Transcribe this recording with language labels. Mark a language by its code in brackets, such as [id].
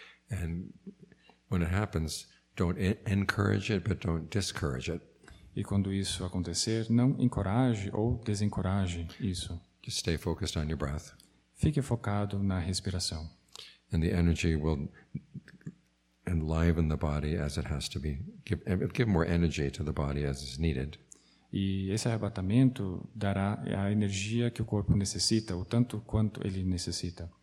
[en] And when it happens, don't encourage it, but don't discourage it. [pt] E quando isso acontecer, não encoraje ou desencoraje isso. [en] Just stay focused on your breath. [pt] Fique focado na respiração. [en] And the energy will enliven the body as it has to be. Give more energy to the body as is needed. [pt] E esse arrebatamento dará a energia que o corpo necessita, o tanto quanto ele necessita.